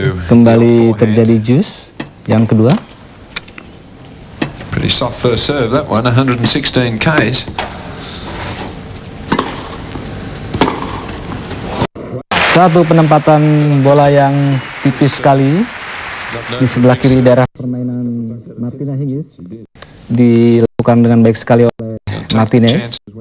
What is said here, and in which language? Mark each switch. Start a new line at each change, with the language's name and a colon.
Indonesian: Kembali terjadi jus yang kedua.
English: Pretty soft first serve that one, 116 Ks.
Indonesian: Satu penempatan bola yang tipis sekali di sebelah kiri daerah permainan Martina Hingis, dilakukan dengan baik sekali oleh Martinez.